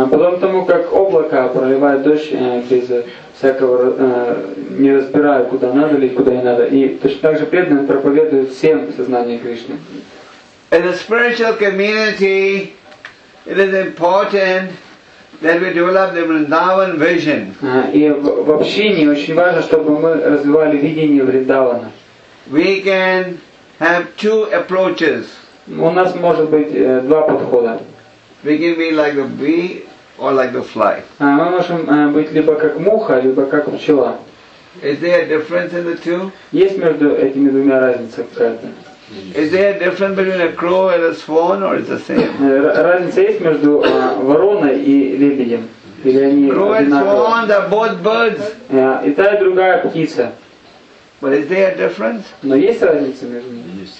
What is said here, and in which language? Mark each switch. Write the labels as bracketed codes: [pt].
[ru] Подобно тому, как облако проливает дождь без всякого, не разбирая, куда надо лить, куда не надо. И точно так же преданные проповедуют всем сознание Кришны. [en] In a spiritual community, it is important that we develop the Vrindavan vision. [ru] И в общине очень важно, чтобы мы развивали видение Вриндавана. [en] We can have two approaches. [ru] У нас может быть два подхода. [en] We can be like the bee or like the fly. [ru] Мы можем быть либо как муха, либо как пчела. [en] Is there a difference in the two? [ru] Есть между этими двумя разница какая-то? [en] Is there a difference between a crow and a swan, or is it the same? [ru] Разница есть между вороной и лебедем? Или они [en] crow and swan are both birds. [ru] И та и другая птица. [en] But is there a difference? [ru] Но есть разница между ними.